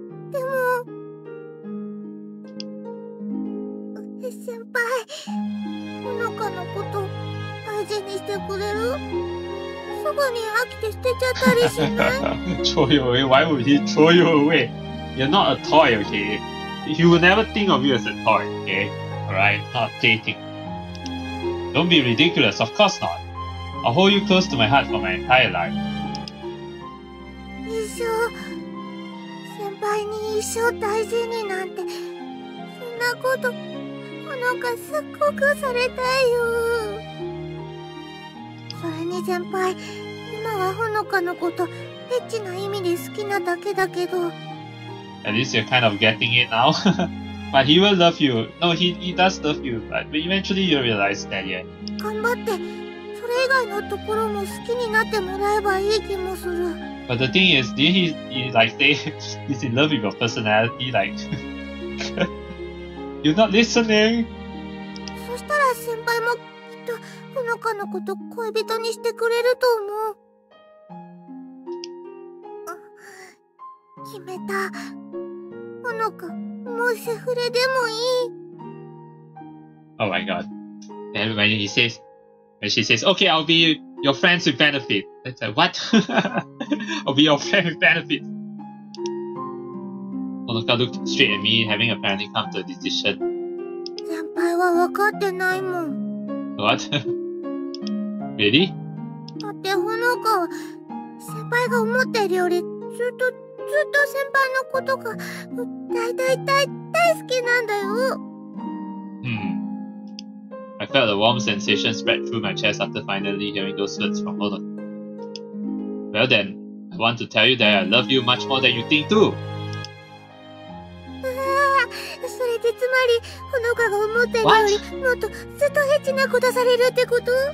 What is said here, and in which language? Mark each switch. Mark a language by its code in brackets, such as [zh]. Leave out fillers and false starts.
[ja] でも先輩、ほのかのこと大事にしてくれる？すぐに飽きて捨てちゃったりしない？ [en] throw you away? Why would he throw you away? You're not a toy, okay? He will never think of you as a toy, okay? Alright, not dating. Don't be ridiculous, of course not. I'll hold you close to my heart for my entire life. [ja] 一生、先輩に一生大事になんて、そんなこと、ほのかすっごくされたいよ。それに先輩、今はほのかのこと、エッチな意味で好きなだけだけど。 [en] At least you're kind of getting it now. But he will love you. No, he does love you, but eventually you'll realize that, yeah. [ja] 頑張って、それ以外のところも好きになってもらえばいい気もする。 [en] But the thing is, did he like say he's in love with your personality? Like, you're not listening. [ja] そしたら先輩もきっとほのかのこと恋人にしてくれると思う。決めた。ほのか、もうセフレでもいい。 [en] Oh my god. Everybody, he says, when she says, okay, I'll be your friends with benefit. That's like, what? I'll be your friend with benefit. Honoka looked straight at me, having apparently come to a decision. [ja] 先輩は分かってないもん。 [en] What? Really? [ja] だってほのかは、先輩が思ってるより、ずっと先輩のことが、大好きなんだよ。 [en] I felt a warm sensation spread through my chest after finally hearing those words from Honoka. Well then, I want to tell you that I love you much more than you think too. [ja] それでつまり、Honoka が思ってるよりもっとずっとエッチなことされるってこと？